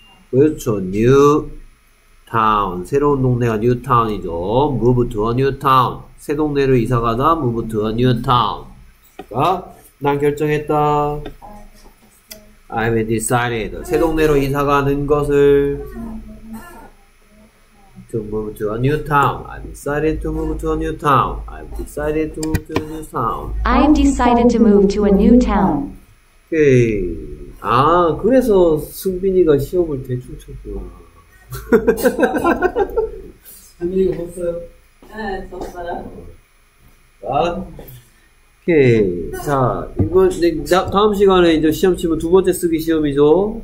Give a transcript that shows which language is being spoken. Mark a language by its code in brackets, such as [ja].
[en] 그렇죠. New town. [ko] 새로운 동네가 New town이죠. [en] Move to a new town. [ko] 새 동네로 이사 가다. [en] Move to a new town. [ko] 아, 난 결정했다. [en] I've decided. [ko] 새 동네로 이사 가는 것을. [en] To move to a new town. I've decided to move to a new town. I've decided to move to a new town. I'm decided to move to a new town. [ko] 오케이. 아, 그래서 승빈이가 시험을 대충 쳤구나. 승빈이가 봤어요? 네, 봤어요. 아, 오케이. 자, 이번 다음 시간에 이제 시험 치면 두 번째 쓰기 시험이죠.